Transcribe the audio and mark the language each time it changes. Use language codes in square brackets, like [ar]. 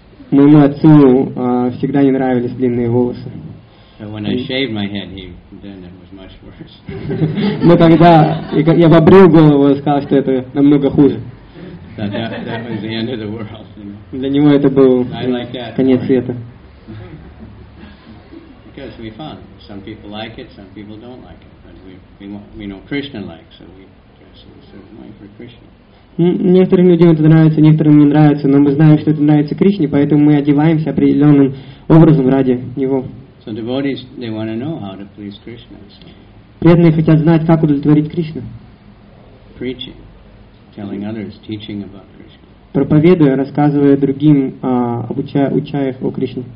[ru] Моему отцу всегда не нравились длинные волосы. [en] But when I shaved my head, then it was much worse. [ru] Но когда я побрил голову, он сказал, что это намного хуже. [en] That was the end of the world. [ru] Для него это был конец света. [en] Because we found some people like it, some people don't like it, but we know Krishna likes, so we dress in a certain way for Krishna. [ru] Некоторым людям это нравится, некоторым не нравится, но мы знаем, что это нравится Кришне, поэтому мы одеваемся определенным образом ради него. [en] So devotees, they want to know how to please Krishna. [ru] Преданные хотят знать, как удовлетворить Кришну. [en] Preaching, telling others, teaching about Krishna. [ru] Проповедуя, рассказывая другим, учая их о Кришне.